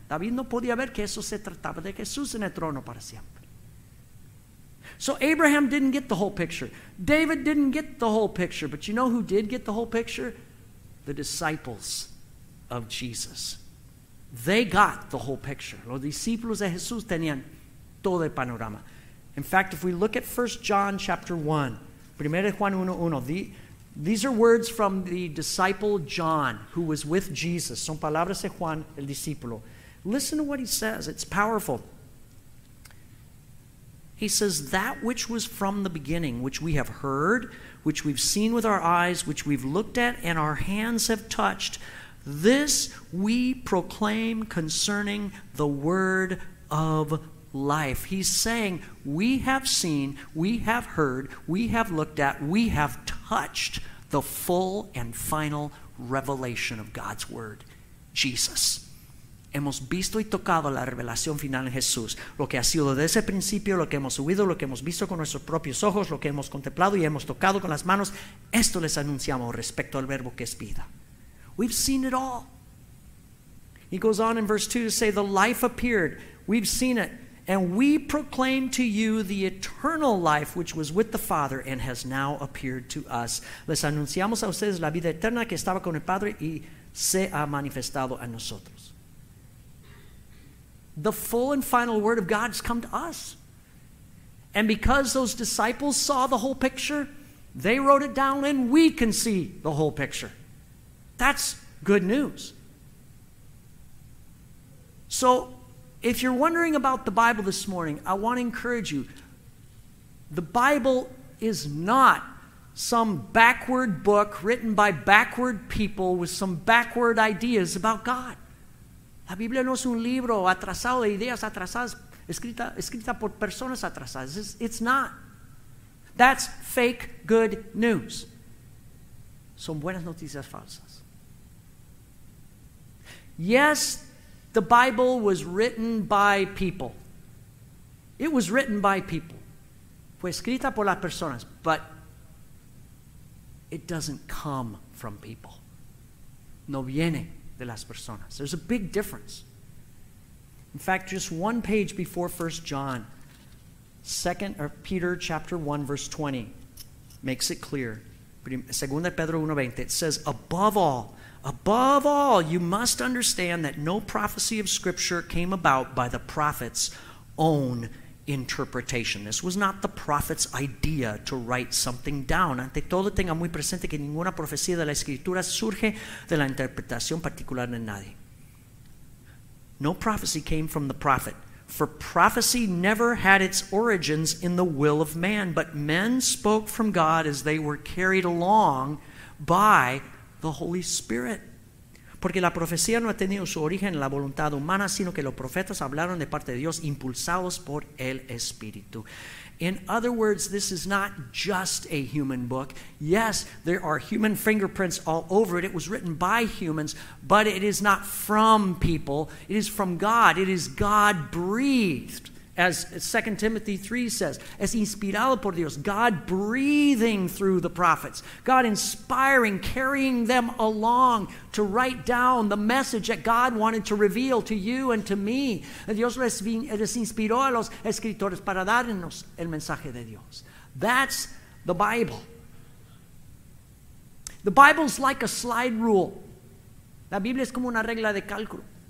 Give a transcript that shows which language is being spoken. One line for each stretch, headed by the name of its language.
Spanish: David no podía ver que eso se trataba de Jesús en el trono para siempre.
English: So Abraham didn't get the whole picture. David didn't get the whole picture. But you know who did get the whole picture? The disciples of Jesus. They got the whole picture.
Spanish: Los discípulos de Jesús tenían todo el panorama.
English: In fact, if we look at 1 John chapter 1,
Spanish: 1 Juan 1:1,
English: these are words from the disciple John, who was with Jesus.
Spanish: Son palabras de Juan, el discípulo.
English: Listen to what he says. It's powerful. He says, that which was from the beginning, which we have heard, which we've seen with our eyes, which we've looked at and our hands have touched, this we proclaim concerning the word of life. He's saying, we have seen, we have heard, we have looked at, we have touched the full and final revelation of God's word, Jesus.
Spanish: Hemos visto y tocado la revelación final en Jesús. Lo que ha sido desde ese principio, lo que hemos oído, lo que hemos visto con nuestros propios ojos, lo que hemos contemplado y hemos tocado con las manos, esto les anunciamos respecto al verbo que es vida.
English: We've seen it all. He goes on in verse 2 to say, the life appeared. We've seen it. And we proclaim to you the eternal life which was with the Father and has now appeared to us.
Spanish: Les anunciamos a ustedes la vida eterna que estaba con el Padre y se ha manifestado a nosotros.
English: The full and final word of God has come to us. And because those disciples saw the whole picture, they wrote it down and we can see the whole picture. That's good news. So, if you're wondering about the Bible this morning, I want to encourage you. The Bible is not some backward book written by backward people with some backward ideas about God.
Spanish: La Biblia no es un libro atrasado de ideas atrasadas, escrita por personas atrasadas.
English: It's not. That's fake good news.
Spanish: Son buenas noticias falsas.
English: Yes, the Bible was written by people. It was written by people.
Spanish: Fue escrita por las personas,
English: but it doesn't come from people.
Spanish: No viene de las personas.
English: There's a big difference. In fact, just one page before 1 John, 2 or Peter chapter 1, verse 20, makes it clear. Segunda Pedro 1:20, it says, above all, you must understand that no prophecy of Scripture came about by the prophet's own interpretation. This was not the prophet's idea to write something down.
Spanish: Ante todo, tenga muy presente que ninguna profecía de la Escritura surge de la interpretación particular de nadie.
English: No prophecy came from the prophet, for prophecy never had its origins in the will of man, but men spoke from God as they were carried along by the Holy Spirit.
Spanish: Porque la profecía no ha tenido su origen en la voluntad humana, sino que los profetas hablaron de parte de Dios, impulsados por el Espíritu.
English: In other words, this is not just a human book. Yes, there are human fingerprints all over it. It was written by humans, but it is not from people. It is from God. It is God breathed. As 2 Timothy 3 says,
Spanish: es inspirado por Dios,
English: God breathing through the prophets, God inspiring, carrying them along to write down the message that God wanted to reveal to you and to me.
Spanish: Dios les inspiró a los escritores para darnos el mensaje de Dios.
English: That's the Bible. The Bible's like a slide rule.
Spanish: La Biblia es como una regla de cálculo.